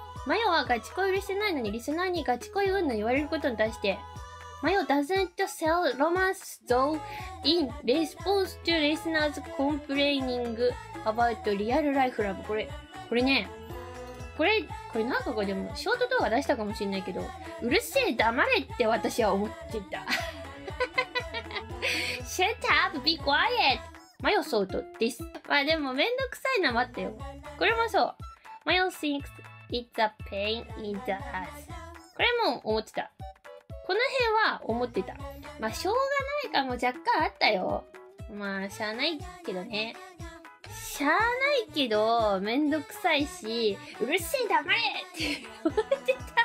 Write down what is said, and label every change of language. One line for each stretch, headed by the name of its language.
Japanese: マヨはガチ恋してないのにリスナーにガチ恋うんぬ言われることに対して、マヨ
English: doesn't sell romance though in response to listeners complaining about real life love。
Japanese: これね、これなんかでもショート動画出したかもしれないけど、うるせえ黙れって私は思ってた。
English: Shut up, be quiet。 マヨソートです。
Japanese: まあでもめんどくさいな、待ってよ。これもそう、
English: マヨ thinks it's a pain in the ass。
Japanese: これも思ってた、この辺は思ってた。まあしょうがないかも、若干あったよ。まあしゃあないけどね、しゃあないけど、めんどくさいし、うるせえ黙れって思ってた。